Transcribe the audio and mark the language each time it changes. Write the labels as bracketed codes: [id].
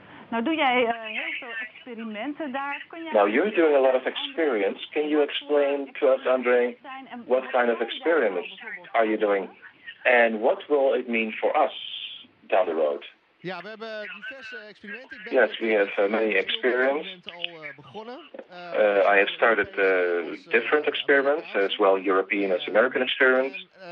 [nl] Nou, doe jij heel veel experimenten daar? Kun jij... [en] Now, you're doing a lot of experience. Can you explain to us, André, what kind of experiments are you doing? And what will it mean for us down the road? [nl] Ja, we hebben diverse experimenten. [en] Yes, we have many experiments. I have started different experiments, as well European as American experiments.